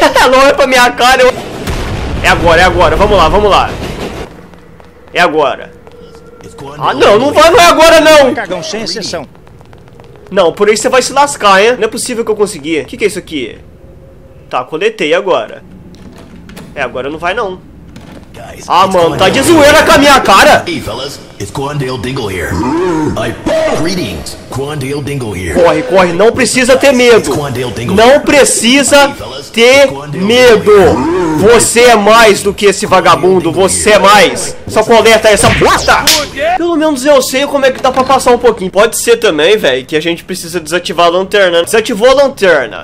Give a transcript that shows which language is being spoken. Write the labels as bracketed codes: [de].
[pt] Não é pra minha cara. É agora, é agora. Vamos lá, vamos lá. É agora. Ah, não, não vai, não é agora, não. Cagão, sem exceção. Não, por aí você vai se lascar, hein. Não é possível que eu consegui. Que é isso aqui? Tá, coletei agora. É, agora não vai, não. Ah, mano, tá de zoeira com a minha cara. [en] Hey, fellas, it's Quandale Dingle here. Greetings, Quandale Dingle here. [pt] Corre, corre, não precisa ter medo. Não precisa ter medo. Você é mais do que esse vagabundo, você é mais. Só coleta essa bosta. Pelo menos eu sei como é que dá pra passar um pouquinho. Pode ser também, velho, que a gente precisa desativar a lanterna. Desativou a lanterna.